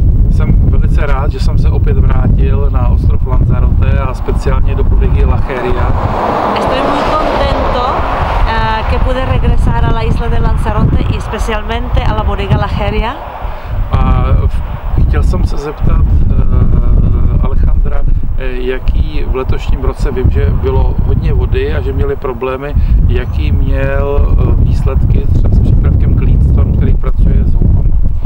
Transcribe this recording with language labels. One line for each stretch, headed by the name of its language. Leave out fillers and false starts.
Czech: Jsem velice rád, že jsem se opět vrátil na ostrov Lanzarote a speciálně do bodegy Lacheria.
Spanish: Estoy muy contento que pude regresar a la isla de Lanzarote y especialmente a la bodega Lacheria.
Czech: A chtěl jsem se zeptat Alejandra, jaký v letošním roce, vím, že bylo hodně vody a že měli problémy, jaký měl výsledky třeba s přípravkem Cleanstone, který pracuje s houbama.